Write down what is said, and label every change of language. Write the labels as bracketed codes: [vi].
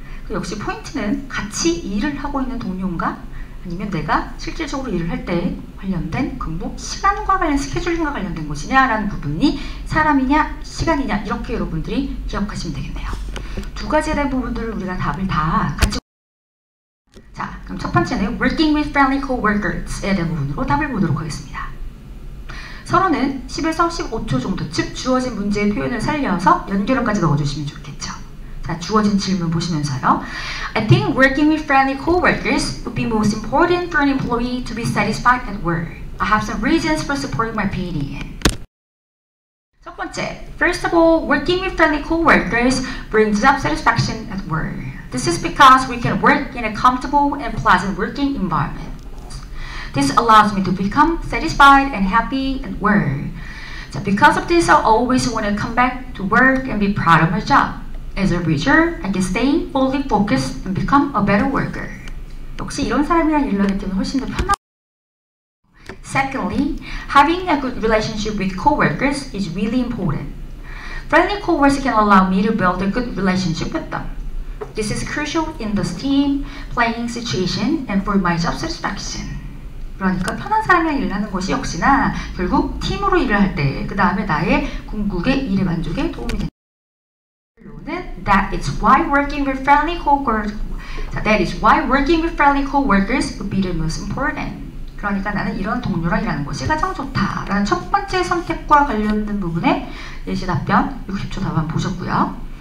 [ko] 역시 포인트는 같이 일을 하고 있는 동료인가, 아니면 내가 실질적으로 일을 할 때 관련된 근무 시간과 관련, 스케줄링과 관련된 것이냐라는 부분이 사람이냐 시간이냐, 이렇게 여러분들이 기억하시면 되겠네요. 두 가지에 대한 부분들을 우리가 답을 다 같이. 자, 그럼 첫 번째는 [en] working with friendly co-workers [ko] 에 대한 부분으로 답을 보도록 하겠습니다. 서로는 10에서 15초 정도, 즉 주어진 문제의 표현을 살려서 연결어까지 넣어주시면 좋겠죠. 자, 주어진 질문 보시면서요, [en] I think working with friendly co-workers would be most important for an employee to be satisfied at work. I have some reasons for supporting my opinion. [ko] 첫 번째, [en] First of all, working with friendly co-workers brings up satisfaction at work. This is because we can work in a comfortable and pleasant working environment. This allows me to become satisfied and happy at work. So because of this, I always want to come back to work and be proud of my job. As a reader, I can stay fully focused and become a better worker. [ko] 역시 이런 사람이랑 일을 하기 때문에 훨씬 더 편하고. [en] Secondly, having a good relationship with co-workers is really important. Friendly co-workers can allow me to build a good relationship with them. This is crucial in the team playing situation and for my job satisfaction. [ko] 그러니까 편한 사람이랑 일하는 것이 역시나 결국 팀으로 일을 할 때, 그 다음에 나의 궁극의 일의 만족에 도움이 된다. [en] That is why working with friendly co-workers. That is why working with friendly co-workers would be the most important. [ko] 그러니까 나는 이런 동료랑 일하는 것이 가장 좋다라는 첫 번째 선택과 관련된 부분의 예시 답변 60초 답안 보셨고요.